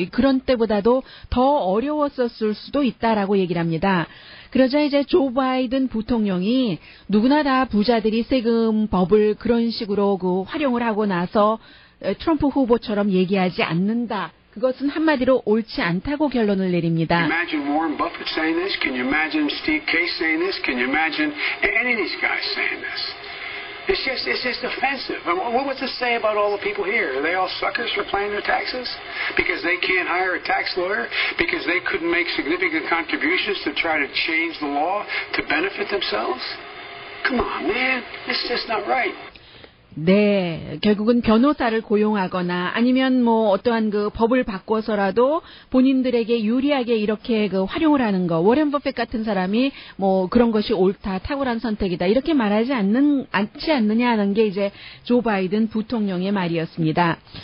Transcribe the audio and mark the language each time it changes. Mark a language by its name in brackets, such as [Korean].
[Korean] 그런 때보다도 더 어려웠었을 수도 있다라고 얘기를 합니다. 그러자 이제 조 바이든 부통령이 누구나 다 부자들이 세금법을 그런 식으로 그 활용을 하고 나서 트럼프 후보처럼 얘기하지 않는다. 그것은 한마디로 옳지 않다고 결론을 내립니다. [English] Imagine Warren Buffett saying this? Can you imagine Steve Case saying this? Can you imagine any of these guys saying this? It's just offensive. What was it say about all the people here? Are they all suckers for paying their taxes? Because they can't hire a tax lawyer? Because they couldn't make significant contributions to try to change the law to benefit themselves? Come on, man. It's just not right. [Korean] 네, 결국은 변호사를 고용하거나 아니면 뭐 어떠한 그 법을 바꿔서라도 본인들에게 유리하게 이렇게 그 활용을 하는 거, 워렌 버핏 같은 사람이 뭐 그런 것이 옳다, 탁월한 선택이다 이렇게 말하지 않지 않느냐 하는 게 이제 조 바이든 부통령의 말이었습니다.